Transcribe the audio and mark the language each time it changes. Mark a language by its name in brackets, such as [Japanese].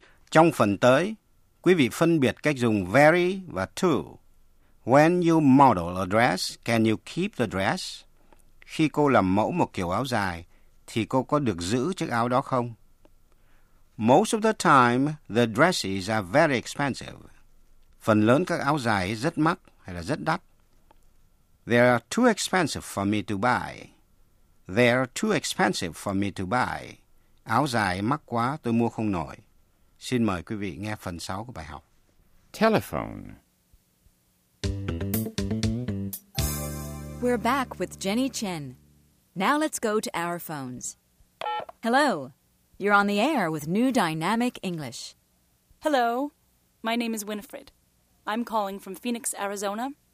[Vietnamese] Trong phần tới, quý vị phân biệt cách dùng very và too. [English] When you model a dress, can you keep the dress? [Vietnamese] Khi cô làm mẫu một kiểu áo dài, thì cô có được giữ chiếc áo đó không? [English] Most of the time, the dresses are very expensive. [Vietnamese] Phần lớn các áo dài rất mắc hay là rất đắt. [English] They are too expensive for me to buy. They are too expensive for me to buy. [Vietnamese] Áo dài mắc quá, tôi mua không nổi. Xin mời quý vị nghe phần 6 của bài học. [English] Telephone. We're back with Jenny Chen. Now let's go to our phones. Hello. You're on the air with New Dynamic English. Hello, my name is Winifred. I'm calling from Phoenix, Arizona.